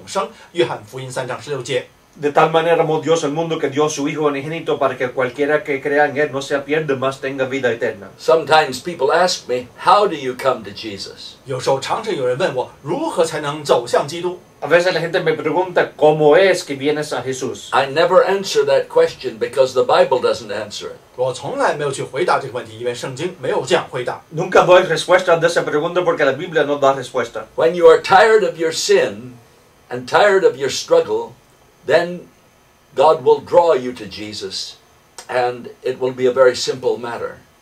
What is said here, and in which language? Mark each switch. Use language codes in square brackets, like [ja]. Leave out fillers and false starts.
[zh] 虽然神憎恶这些世间的罪孽，但是呢，他爱世人，将他自己的独生的赐到赐给我们，让一切信他的不至灭亡，反得永生。约翰福音3:16. [es] De tal manera amó Dios el mundo que dio su Hijo unigénito para que cualquiera que crea en él no se pierda, mas tenga vida eterna. [en] Sometimes people ask me, how do you come to Jesus? [zh] 有时候常常有人问我，如何才能走向基督？ [es] A veces la gente me pregunta, ¿cómo es que vienes a Jesús? [en] I never answer that question because the Bible doesn't answer it. [zh] 我从来没有去回答这个问题，因为圣经没有这样回答。 [es] Nunca doy respuesta a esa pregunta porque la Biblia no da respuesta. [en] When you are tired of your sin and tired of your struggle, then God will draw you to Jesus and it will be a very simple matter.